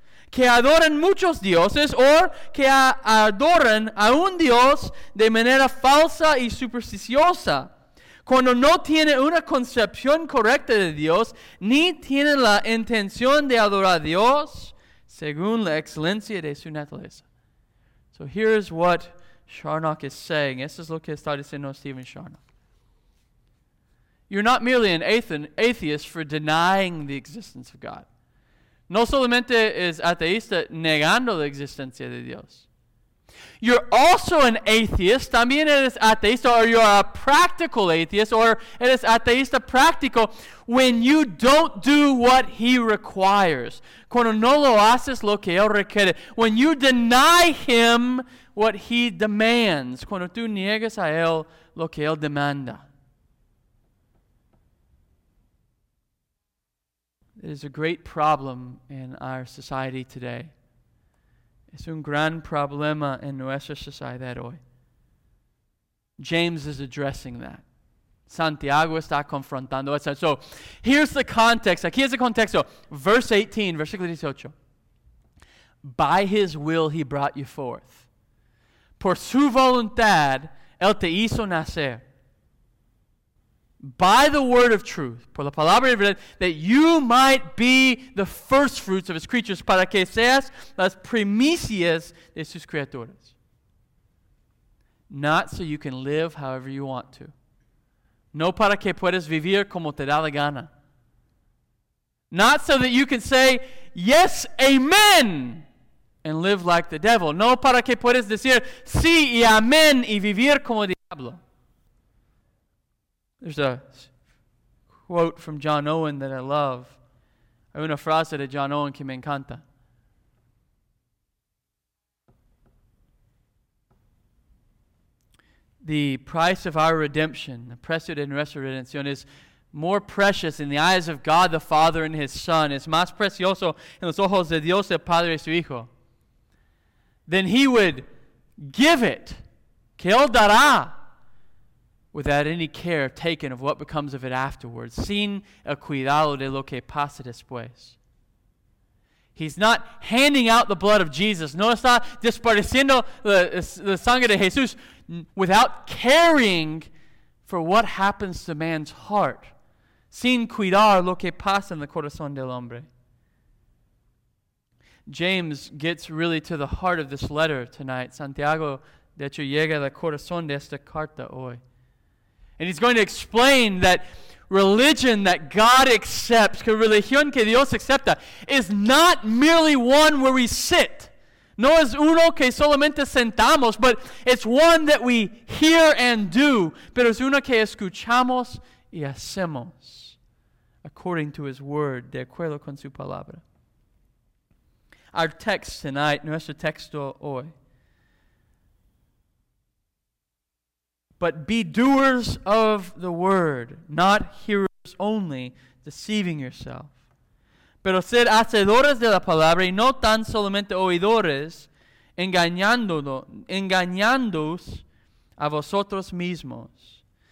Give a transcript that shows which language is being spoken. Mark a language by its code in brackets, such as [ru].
[es] que adoran muchos dioses o que adoran a un Dios de manera falsa y supersticiosa, cuando no tiene una concepción correcta de Dios, ni tiene la intención de adorar a Dios según la excelencia de su naturaleza. [en] So here is what Charnock is saying. [es] Esto es lo que está diciendo Stephen Charnock. [en] You're not merely an atheist for denying the existence of God. [es] No solamente es ateísta negando la existencia de Dios. [en] You're also an atheist, [es] también eres ateísta, [en] or you're a practical atheist, or [es] eres ateísta práctico, [en] when you don't do what he requires. [es] Cuando no lo haces lo que él requiere. [en] When you deny him what he demands. [es] Cuando tú niegas a él lo que él demanda. [en] It is a great problem in our society today. [es] Es un gran problema en nuestra sociedad hoy. [en] James is addressing that. [es] Santiago está confrontando eso. [en] So, here's the context. [es] Aquí es el contexto. [en] Verse 18, [es] versículo 18. [en] By his will he brought you forth. [es] Por su voluntad, él te hizo nacer. [en] By the word of truth, [es] por la palabra de verdad, [en] that you might be the first fruits of his creatures, [es] para que seas las primicias de sus criaturas. [en] Not so you can live however you want to. [es] No para que puedas vivir como te da la gana. [en] Not so that you can say, yes, amen, and live like the devil. [es] No para que puedas decir, sí y amen, y vivir como diablo. [en] There's a quote from John Owen that I love. [es] Hay una frase de John Owen que me encanta. [en] The price of our redemption, the [es] precio de nuestra redención, [en] is more precious in the eyes of God the Father and His Son, [es] es más precioso en los ojos de Dios el Padre y su Hijo, [en] than He would give it, [es] que Él dará, [en] without any care taken of what becomes of it afterwards, [es] sin el cuidado de lo que pasa después. [en] He's not handing out the blood of Jesus. [es] No está desperdiciando la sangre de Jesús [en] without caring for what happens to man's heart. [es] Sin cuidar lo que pasa en el corazón del hombre. [en] James gets really to the heart of this letter tonight. [es] Santiago, de hecho, llega al corazón de esta carta hoy. [en] And he's going to explain that religion that God accepts, [es] que religión que Dios acepta, [en] is not merely one where we sit. [es] No es uno que solamente sentamos, [en] but it's one that we hear and do. [es] Pero es uno que escuchamos y hacemos, [en] according to his word, [es] de acuerdo con su palabra. [en] Our text tonight, nuestro texto hoy. But be doers of the word, not hearers only, deceiving yourself. [es] Pero ser hacedores de la palabra y no tan solamente oidores, engañándoos a vosotros mismos.